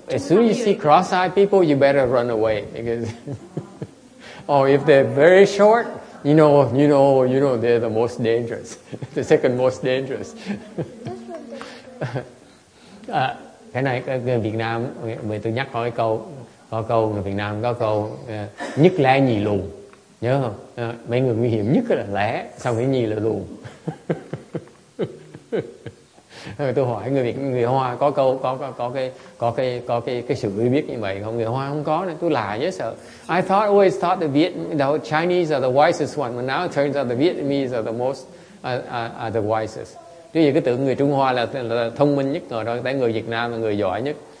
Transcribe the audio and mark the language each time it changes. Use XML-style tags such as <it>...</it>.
<en>As soon as you see cross-eyed people, you better run away. Because or if they're very short, you know they're the most dangerous. The second most dangerous.</en> <vi>cái này cái Việt Nam mình tôi nhắc hỏi câu có câu người Việt Nam có câu nhất lé nhì lùn nhớ không mấy người nguy hiểm nhất là lé xong cái nhì là lùn. Tôi hỏi người Hoa có câu có cái sự hiểu biết như vậy không, người Hoa không có nên tôi lạ nhớ sợ.</vi> <en>I thought always thought the Chinese are the wisest one, but now it turns out the Vietnamese are the most are the wisest.</en> <vi>Chứ gì cứ tưởng người Trung Hoa là thông minh nhất rồi, tại người Việt Nam là người giỏi nhất.</vi>